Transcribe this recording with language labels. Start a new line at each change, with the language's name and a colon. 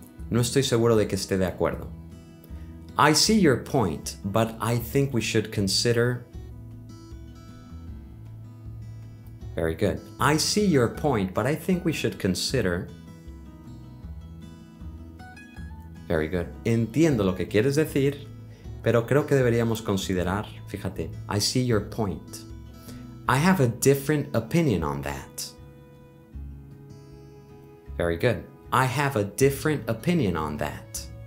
Spanish: No estoy seguro de que esté de acuerdo.
English: I see your point, but I think we should consider... Very good. I see your point, but I think we should consider... Very good.
Spanish: Entiendo lo que quieres decir, pero creo que deberíamos considerar... Fíjate.
English: I see your point. I have a different opinion on that. Very good. I have a different opinion on that.